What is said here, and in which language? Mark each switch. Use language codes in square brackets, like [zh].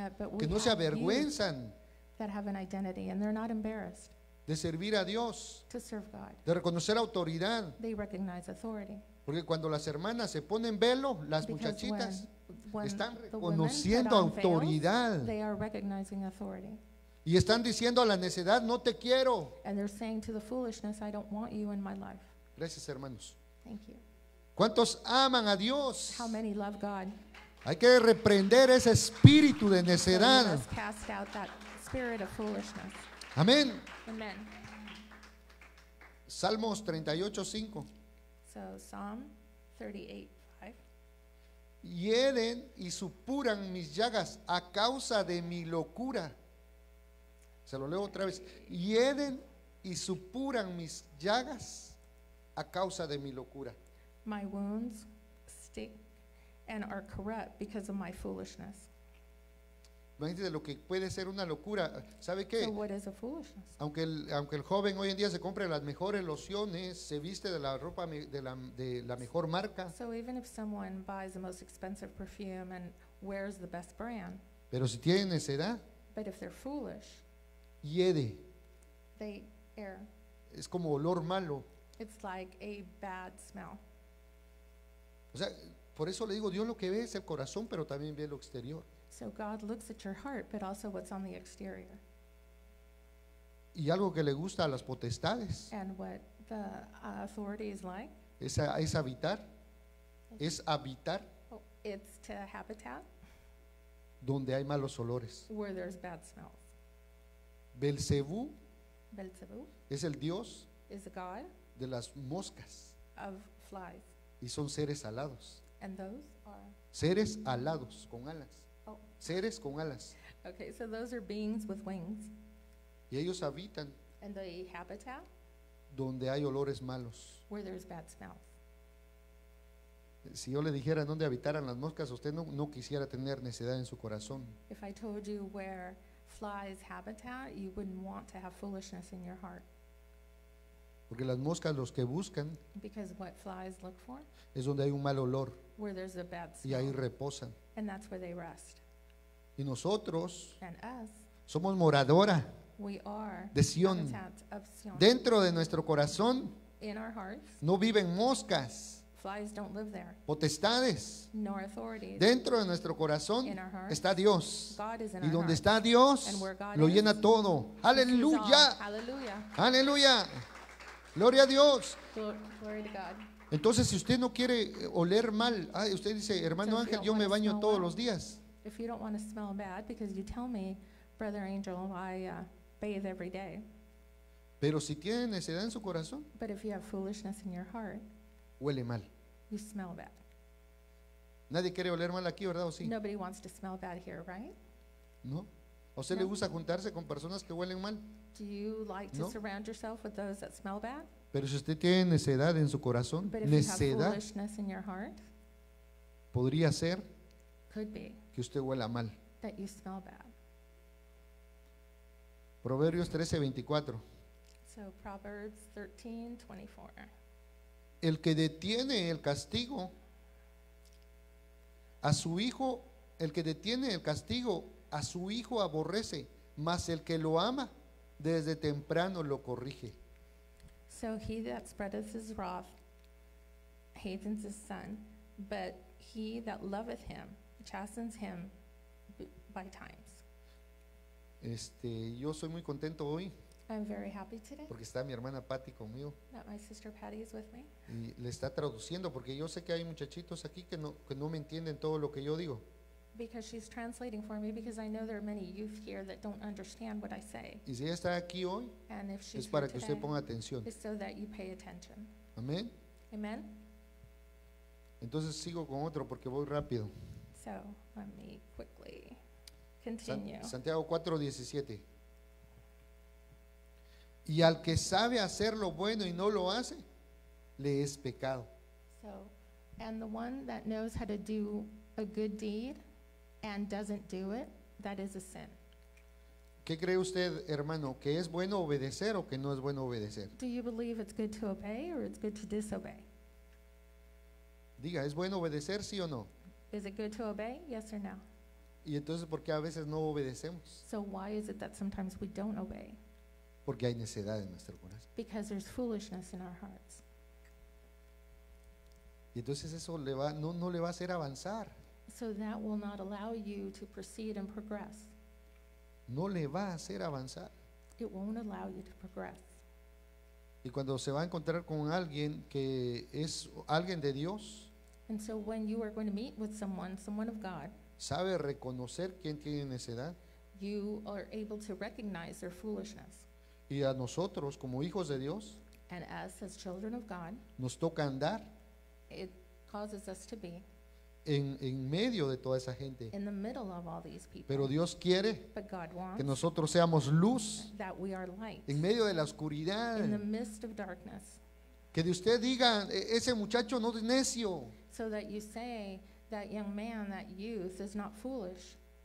[en] up, [es] que no se avergüenzan. [en] That have an identity and they're not embarrassed. [es] de servir a Dios, [en] to serve God. [es] De reconocer autoridad. [en] They recognize authority. [es] Porque cuando las hermanas se ponen velo, las [en] Because [es] muchachitas [en] when [es] están reconociendo autoridad. [en] They are recognizing authority. [es] Y están diciendo a la necedad, no te quiero. [en] And they're saying to the foolishness, I don't want you in my life. [es] Gracias, hermanos. [en] Thank you. [es] ¿Cuántos aman a Dios? [en] How many love God? [es] Hay que reprender ese espíritu de necedad. [en] So we must cast out that spirit of foolishness. [es] Amén. [en] Amen. [es] Salmos 38:5. [en] So Psalm 38:5. [es] Hieren y supuran mis llagas a causa de mi locura. Se lo leo otra vez. Hieren y supuran mis llagas a causa de mi locura. [en] My wounds stick and are corrupt because of my foolishness. [es] Imagínate lo que puede ser una locura. ¿Sabe qué? [en] So what is a foolishness? [es] Aunque el joven hoy en día se compre las mejores lociones, se viste de la ropa de la mejor marca. [en] So even if someone buys the most expensive perfume and wears the best brand. [es] Pero si tiene necedad. [en] But if they're foolish. [es] Hiede. [en] They err. [es] Es como olor malo. [en] It's like a bad smell. [es] O sea, por eso le digo, Dios lo que ve es el corazón, pero también ve lo exterior. [en] So God looks at your heart, but also what's on the exterior. [es] Y algo que le gusta a las potestades. [en] And what the authority is like. [es] Es habitar. Okay. Es habitar. [en] Oh, it's to habitat. [es] Donde hay malos olores. [en] Where there's bad smells. [es] Belcebú. Belcebú. Es el dios. [en] Is a god. [es] De las moscas. [en] Of flies. [es] Y son seres alados. [en] And those are. [es] Seres alados con alas. Oh. Seres con alas. [en] Okay, so those are beings with wings. [es] Y ellos habitan. [en] And they habitat. [es] Donde hay olores malos. [en] Where there's bad smells. [es] Si yo le dijera dónde habitaran las moscas, usted no quisiera tener necedad en su corazón. [en] If I told you where flies habitat, you wouldn't want to have foolishness in your heart. [es] Porque las moscas los que buscan. [en] Because what flies look for. [es] Es donde hay un mal olor. [en] Where there's a bad smell. [es] Y ahí reposan. [en] And that's where they rest. [es] Y nosotros. [en] And us. [es] Somos moradora. [en] We are. [es] De Sion. Dentro de nuestro corazón. [en] In our hearts. [es] No viven moscas. [en] Flies don't live there. [es] Potestades. [en] Nor authorities. [es] Dentro de nuestro corazón. [en] In our hearts. [es] Está Dios. [en] God is in [es] y [en] our [es] donde [en] hearts. [es] Está Dios. [en] And where God [es] lo [en] is, [es] llena todo. Aleluya. Aleluya. Aleluya. Gloria a Dios. [en] Glory to God. [es] Entonces, si usted no quiere oler mal, usted dice, hermano Ángel, yo me baño todos los días. [en] If you don't want to smell bad, because you tell me, brother Angel, I bathe every day. [es] Pero si tiene necedad en su corazón. [en] But if you have foolishness in your heart. [es] Huele mal. [en] You smell bad. [es] Nadie quiere oler mal aquí, ¿verdad? ¿O sí? [en] Nobody wants to smell bad here, right? [es] No. ¿O usted le gusta juntarse con personas que huelen mal? [en] Do you like to surround yourself with those that smell bad? [es] Pero si usted tiene necedad en su corazón, necedad, [en] heart, [es] podría ser [en] could be [es] que usted huela mal. [en] That you smell bad. [es] Proverbios 13:24. [en] So Proverbs 13:24. [es] El que detiene el castigo a su hijo, el que detiene el castigo a su hijo aborrece, mas el que lo ama desde temprano lo corrige. [en] So he that spreadeth his wrath hates his son, but he that loveth him chastens him by times. [es] Yo soy muy contento hoy. [en] I'm very happy today. [es] Porque está mi hermana Patty conmigo. [en] That my sister Patty is with me. [es] Y le está traduciendo porque yo sé que hay muchachitos aquí que no me entienden todo lo que yo digo. [en] Because she's translating for me, because I know there are many youth here that don't understand what I say. [es] Y si está aquí hoy, [en] and if she's [es] es para [en] here [es] que [en] today, [es] usted ponga atención. [en] It's so that you pay attention. Amen. Amen. [es] Entonces sigo con otro porque voy rápido. [en] So let me quickly continue. [es] Santiago 4:17. Y al que sabe hacer lo bueno y no lo hace, le es pecado. [en] So, and the one that knows how to do a good deed and doesn't do it, that is a sin. [es] ¿Qué cree usted, hermano, que es bueno obedecer o que no es bueno obedecer? [en] Do you believe it's good to obey or it's good to disobey? [es] Diga, ¿es bueno obedecer, sí o no? [en] Is it good to obey, yes or no? [es] ¿Y entonces por qué a veces no obedecemos? [en] So why is it that sometimes we don't obey? [es] Porque hay necedad en nuestro corazón. [en] Because there's foolishness in our hearts. [es] Y entonces eso le va, no le va a hacer avanzar. [en] So that will not allow you to proceed and progress. [es] No le va a hacer avanzar. [en] It won't allow you to progress. [es] Y cuando se va a encontrar con alguien que es alguien de Dios, [en] and so when you are going to meet with someone of God, [es] sabe reconocer quién tiene necedad. [en] You are able to recognize their foolishness. [es] Y a nosotros como hijos de Dios, [en] and us as children of God, [es] nos toca andar. [en] It causes us to be [es] en medio de toda esa gente. [en] In the middle of all these people. [es] Pero Dios quiere que nosotros seamos luz en medio de la oscuridad. [en] In the midst of darkness. [es] Que de usted diga, ese muchacho no es necio. [en] So that you say, that young man, that youth is not foolish.